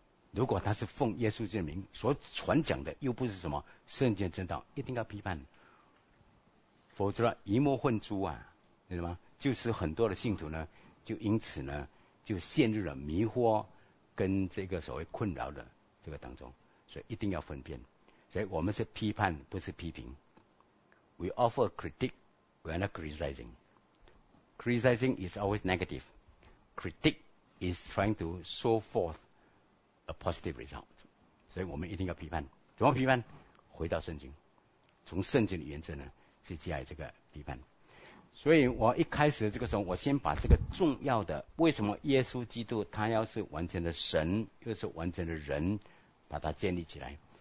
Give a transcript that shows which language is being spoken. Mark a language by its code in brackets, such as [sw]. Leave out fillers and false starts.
[zh] 如果他是奉耶稣之名所传讲的又不是什么圣经正道，一定要批判，否则一目混珠啊，你知道吗？就是很多的信徒呢就因此呢就陷入了迷惑跟这个所谓困扰的这个当中，所以一定要分辨。所以我们是批判不是批评。 [en] We offer critique, we are not criticizing. Criticizing is always negative. Critique is trying to show forthA positive result. [zh] 所以我们一定要批判。怎么批判？回到圣经，从圣经的原则呢去加以这个批判。所以我一开始这个时候，我先把这个重要的为什么耶稣基督他要是完全的神又是完全的人，把它建立起来。